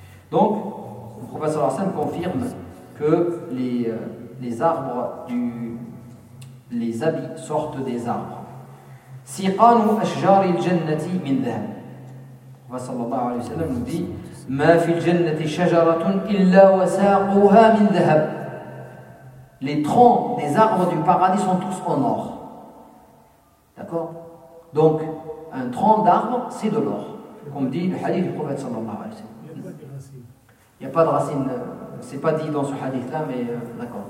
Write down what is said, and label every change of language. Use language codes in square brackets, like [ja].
[fr] Donc, le prophète sallallahu alayhi wa sallam confirme que les arbres, les habits sortent des arbres. [ar] سيقان أشجار الجنة من ذهب. صلى الله عليه وسلم dit ما في الجنة شجرة إلا وساقها من ذهب. [fr] Les troncs des arbres du paradis sont tous en or. D'accord. Donc un tronc d'arbre c'est de l'or, comme dit le hadith du prophète صلى الله عليه وسلم. Il n'y a pas de racines, ce n'est pas dit dans ce hadith-là, mais d'accord.